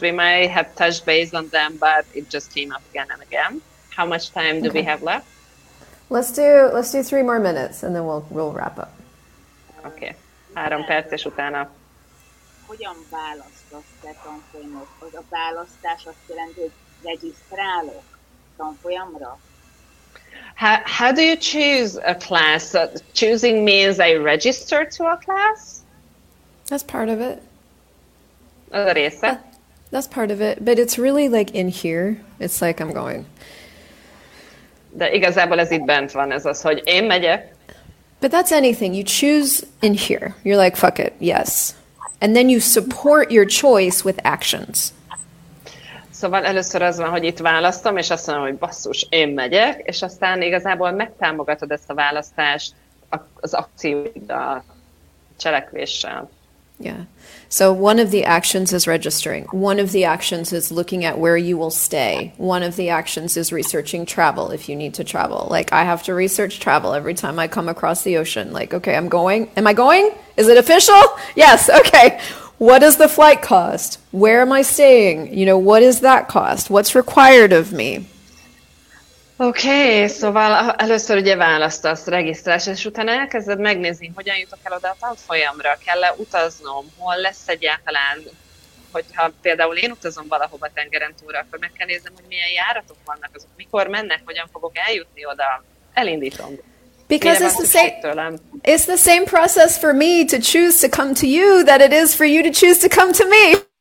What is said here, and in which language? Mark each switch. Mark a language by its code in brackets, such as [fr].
[en] We might have touched base on them, but it just came up again and again. How much time do we have left? Let's do three more minutes and then we'll wrap up. [hu] Okay. 3 perc és utána. Hogyan választasz te tanfolyamot? Az a választás azt jelenti, hogy regisztrálok tanfolyamra? [en] How do you choose a class? Choosing means I register to a class? That's part of it. [hu] Az a része? [en] That's part of it. But it's really like in here. It's like I'm going... [hu] De igazából ez itt bent van, ez az, hogy én megyek. [en] But that's anything. You choose in here. You're like, fuck it, yes. And then you support your choice with actions. [hu] Szóval először az van, hogy itt választom, és azt mondom, hogy basszus, én megyek, és aztán igazából megtámogatod ezt a választást az akcióiddal, cselekvéssel. [en] Yeah. So one of the actions is registering. One of the actions is looking at where you will stay. One of the actions is researching travel if you need to travel. Like I have to research travel every time I come across the ocean. Like, okay, I'm going. Am I going? Is it official? Yes. Okay. What is the flight cost? Where am I staying? You know, what is that cost? What's required of me? [hu] Okay, szóval először ugye választasz regisztrálás, és utána elkezded megnézni, hogyan jutok el oda a tanfolyamra, kell-e utaznom, hol lesz egyáltalán, hogyha például én utazom valahova tengeren túlra, akkor meg kell néznem, hogy milyen járatok vannak azok, mikor mennek, hogyan fogok eljutni oda, elindítom. [en] Because it's the same process for me to choose to come to you that it is for you to choose to come to me.